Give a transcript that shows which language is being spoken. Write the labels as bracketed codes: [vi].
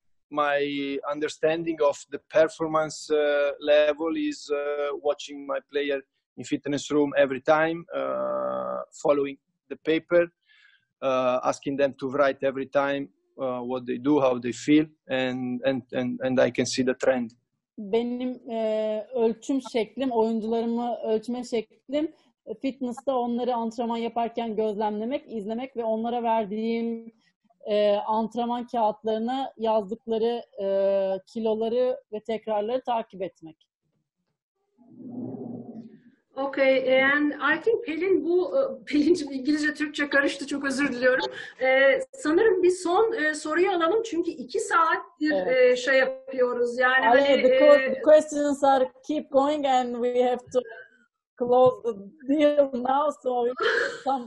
[en] My understanding of the performance level is watching my player in fitness room every time, following the paper, asking them to write every time what they do, how they feel, and I can see the trend. [tr] Benim ölçüm şeklim, oyuncularımı ölçme şeklim, fitness'ta onları antrenman yaparken gözlemlemek, izlemek ve onlara verdiğim antrenman kağıtlarına yazdıkları kiloları ve tekrarları takip etmek. [en] Okay, and I think [tr] Pelin, bu Pelin'cim İngilizce Türkçe karıştı, çok özür diliyorum. Sanırım bir son soruyu alalım çünkü iki saattir evet. Şey yapıyoruz yani. [en] Ali, hani, the questions are keep going and we have to close the deal now, so some